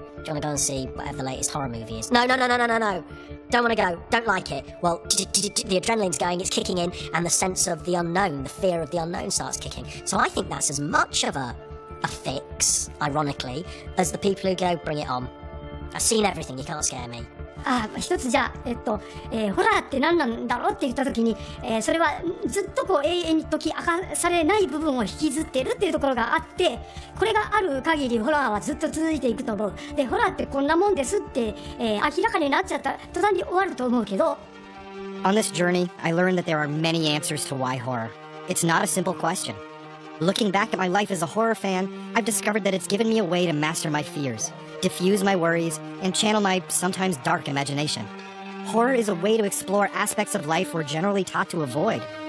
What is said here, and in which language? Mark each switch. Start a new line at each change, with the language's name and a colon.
English: Do you want to go and see whatever the latest horror movie is? No, don't want to go, don't like it. Well, the adrenaline's going, it's kicking in, and the sense of the unknown, the fear of the unknown starts kicking. So I think that's as much of a fix, ironically, as the people who go, bring it on. I've seen everything, you can't scare me.
Japanese: ホラーって何なんだろうって言った時に、それはずっとこう永遠に解き明かされない部分を引きずってるっていうところがあって、これがある限りホラーはずっと続いていくと思う。で、ホラーってこんなもんですって、明らかになっちゃった途端に終わると思うけど。
English: On this journey, I learned that there are many answers to why horror. It's not a simple question. Looking back at my life as a horror fan, I've discovered that it's given me a way to master my fears, diffuse my worries, and channel my sometimes dark imagination. Horror is a way to explore aspects of life we're generally taught to avoid.